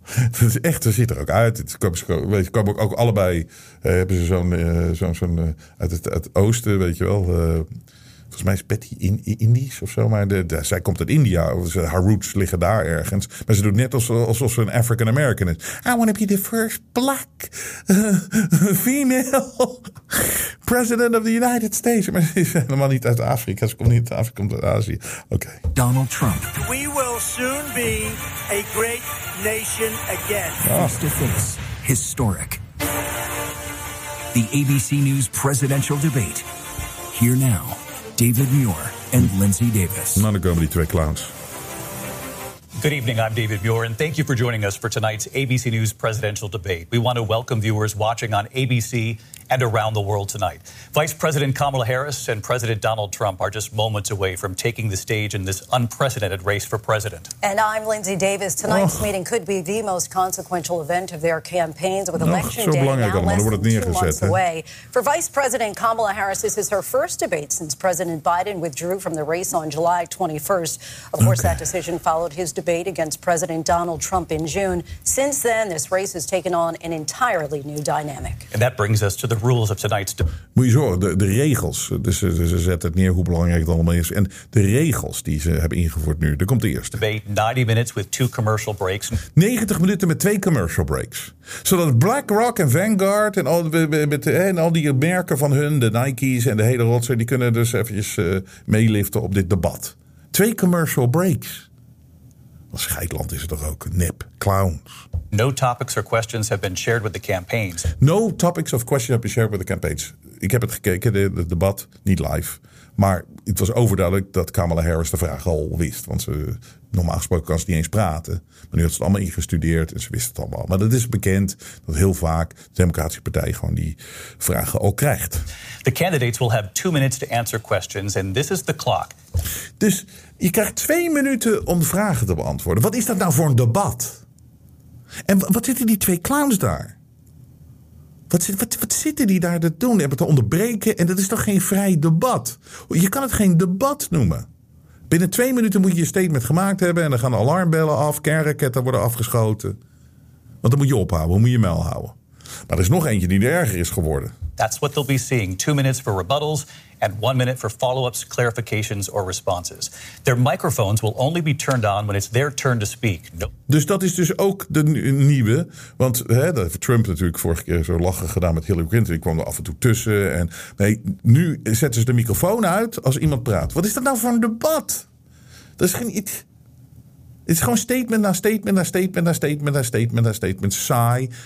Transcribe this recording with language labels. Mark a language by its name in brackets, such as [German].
[Dutch] Dat is echt, ze ziet er ook uit. Het komen ook allebei... hebben ze zo'n uit het oosten, weet je wel... Volgens mij is Patty Indisch of zo. Maar zij komt uit India. Haar roots liggen daar ergens. Maar ze doet net alsof ze een African American is. [English] I want to be the first black female president of the United States. [Dutch] Maar ze is helemaal niet uit Afrika. Ze komt niet uit Afrika, ze komt uit Azië. Okay. [English] Donald Trump. We will soon be a great nation again. Face to face. Historic. The ABC News presidential debate. Here now. David Muir and Lindsay Davis. Not a comedy trick, clowns. Good evening, I'm David Muir, and thank you for joining us for tonight's ABC News presidential debate. We want to welcome viewers watching on ABC and around the world tonight. Vice President Kamala Harris and President Donald Trump are just moments away from taking the stage in this unprecedented race for president. And I'm Lindsay Davis. Tonight's meeting could be the most consequential event of their campaigns with election day now less than 2 months away. For Vice President Kamala Harris, this is her first debate since President Biden withdrew from the race on July 21st. Of course, that decision followed his debate against President Donald Trump in June. Since then, this race has taken on an entirely new dynamic. And that brings us to the rules of tonight's debate. [Dutch] Moet je zorgen, de regels. Dus ze zetten het neer hoe belangrijk het allemaal is. En de regels die ze hebben ingevoerd nu. Er komt de eerste. [English] Debate 90 minutes with two commercial breaks. [Dutch] 90 minuten met twee commercial breaks. Zodat BlackRock en Vanguard en al die merken van hun, de Nike's en de hele rotzooi, die kunnen dus eventjes meeliften op dit debat. Twee commercial breaks. Scheidland is het toch ook. Nep. Clowns. [English] No topics or questions have been shared with the campaigns. No topics of questions have been shared with the campaigns. [Dutch] Ik heb het gekeken, het debat, niet live. Maar het was overduidelijk dat Kamala Harris de vraag al wist. Want ze, normaal gesproken kan ze niet eens praten. Maar nu had ze het allemaal ingestudeerd en ze wist het allemaal. Maar het is bekend dat heel vaak de Democratische Partij gewoon die vragen ook krijgt. [English] The candidates will have 2 minutes to answer questions and this is the clock. [Dutch] Dus je krijgt 2 minuten om de vragen te beantwoorden. Wat is dat nou voor een debat? En wat zitten die twee clowns daar? Wat zitten die daar te doen? Hebben te onderbreken en dat is toch geen vrij debat? Je kan het geen debat noemen. Binnen 2 minuten moet je je statement gemaakt hebben en dan gaan de alarmbellen af, kernraketten worden afgeschoten. Want dan moet je ophouden, dan moet je mijl houden. Maar er is nog eentje die er erger is geworden. [English] That's what they'll be seeing. 2 minutes for rebuttals and 1 minute for follow-ups, clarifications or responses. Their microphones will only be turned on when it's their turn to speak. No. [Dutch] Dus dat is dus ook de nieuwe. Want dat heeft Trump natuurlijk vorige keer zo lachen gedaan met Hillary Clinton. Die kwam er af en toe tussen. Nee, nu zetten ze de microfoon uit als iemand praat. Wat is dat nou voor een debat? Dat is geen iets... Het is gewoon statement na statement na statement na statement na statement na statement. Saai.